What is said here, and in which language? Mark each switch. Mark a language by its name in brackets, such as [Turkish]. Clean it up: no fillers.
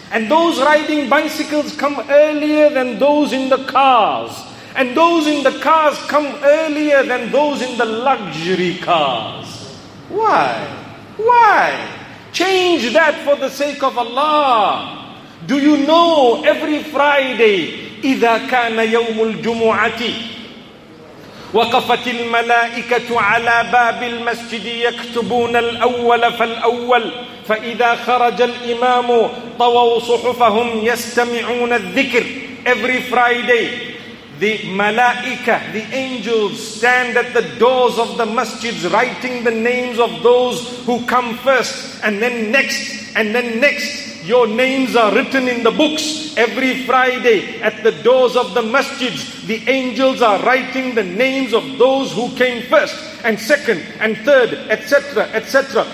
[English] And those riding bicycles come earlier than those in the cars. And those in the cars come earlier than those in the luxury cars. Why? Why? Change that for the sake of Allah. Do you know every Friday, [Arabic] إِذَا كَانَ يَوْمُ الْجُمُعَةِ وَقَفَتِ الْمَلَائِكَةُ عَلَىٰ بَابِ الْمَسْجِدِ يَكْتُبُونَ الْأَوَّلَ فَالْأَوَّلِ فَإِذَا خَرَجَ الْإِمَامُ طَوَوْ صُحُفَهُمْ يَسْتَمِعُونَ الذِّكْرِ. [English] Every Friday, the malaika, the angels, stand at the doors of the masjids writing the names of those who come first and then next and then next. Your names are written in the books. Every Friday at the doors of the masjids, the angels are writing the names of those who came first and second and third, etc., etc.